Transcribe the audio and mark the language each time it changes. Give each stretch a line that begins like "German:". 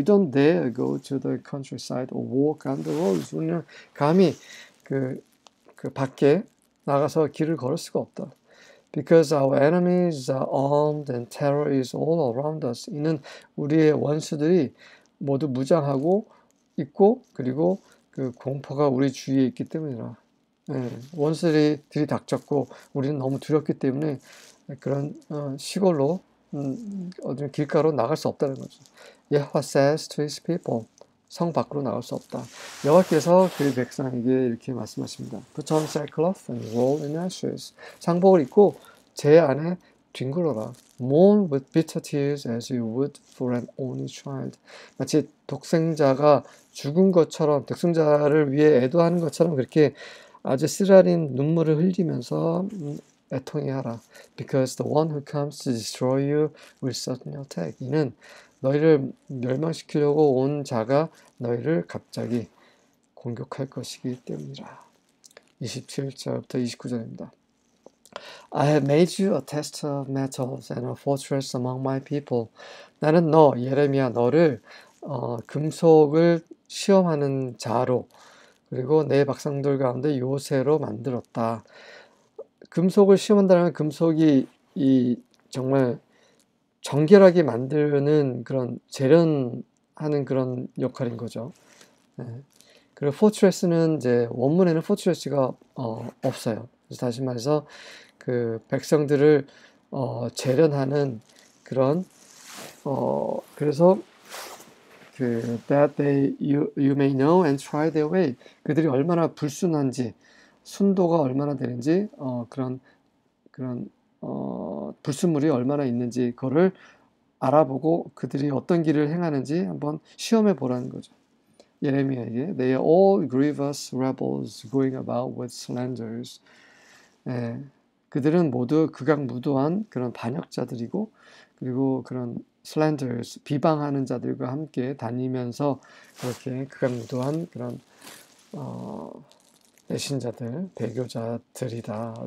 English: We don't dare go to the countryside or walk on the roads.
Korean: 우리는 감히 그 밖에 나가서 길을 걸을 수가 없다.
English: Because our enemies are armed and terror is all around us.
Korean: 이는 우리의 원수들이 모두 무장하고 있고, 그리고 그 공포가 우리 주위에 있기 때문이라. 네, 원수들이 들이닥쳤고 우리는 너무 두렵기 때문에 그런 시골로 어디 길가로 나갈 수 없다는 거죠.
English: Yahweh says to his people,
Korean: 성 밖으로 나갈 수 없다. 여호와께서 그의 백성에게 이렇게 말씀하십니다.
English: Put on sackcloth and roll in ashes.
Korean: 상복을 입고 재 안에 뒹굴어라.
English: Mourn with bitter tears as you would for an only child.
Korean: 마치 독생자가 죽은 것처럼, 독생자를 위해 애도하는 것처럼 그렇게 아주 쓰라린 눈물을 흘리면서 애통해하라.
English: Because the one who comes to destroy you will certainly attack.
Korean: 이는 너희를 멸망시키려고 온 자가 너희를 갑자기 공격할 것이기 때문이라. 27절부터 29절입니다.
English: I have made you a tester of metals and a fortress among my people.
Korean: 나는 너, 예레미야, 너를 금속을 시험하는 자로, 그리고 내 박성들 가운데 요새로 만들었다. 금속을 시험한다는 건 금속이 정말 정결하게 만드는 그런 재련하는 그런 역할인 거죠. 네. 그리고 fortress는 이제 원문에는 fortress가 없어요. 그래서 다시 말해서 그 백성들을 재련하는 그런 그래서 그
English: that they you may know and try their way.
Korean: 그들이 얼마나 불순한지, 순도가 얼마나 되는지, 그런 불순물이 얼마나 있는지 그거를 알아보고 그들이 어떤 길을 행하는지 한번 시험해 보라는 거죠.
English: 예레미야에게 They are all grievous rebels going about with slanders.
Korean: 예. 그들은 모두 극악무도한 그런 반역자들이고, 그리고 그런 slanders, 비방하는 자들과 함께 다니면서 그렇게 극악무도한 그런 배신자들, 배교자들이다.